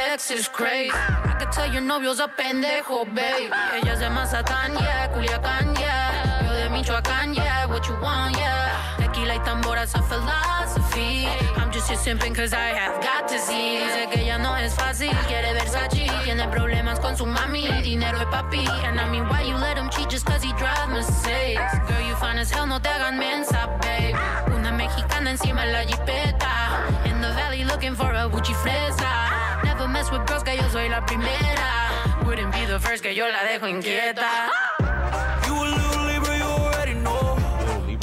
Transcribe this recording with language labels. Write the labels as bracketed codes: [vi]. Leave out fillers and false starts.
[en] Is crazy. I could tell your novio's a pendejo, babe. [es] Ella es de Mazatán, [en] yeah, Culiacán, yeah. [es] Yo de Michoacán, [en] yeah, what you want, yeah. [es] Tequila y tambor [en] as a philosophy. I'm just here simping cause I have got to see. [es] Dice que ya no es fácil, quiere Versace. Tiene problemas con su mami, dinero y papi. [en] And I mean, why you let him cheat just cause he drives Mercedes? Girl, you fine as hell, [es] no te hagan mensa, babe. Una mexicana encima de la jipeta. [en] In the valley looking for a Gucci fresa. Mess with girls, [es] que yo soy la primera. [en] Wouldn't be the first, [es] que yo la dejo inquieta. [en] You a little Libra, you already know.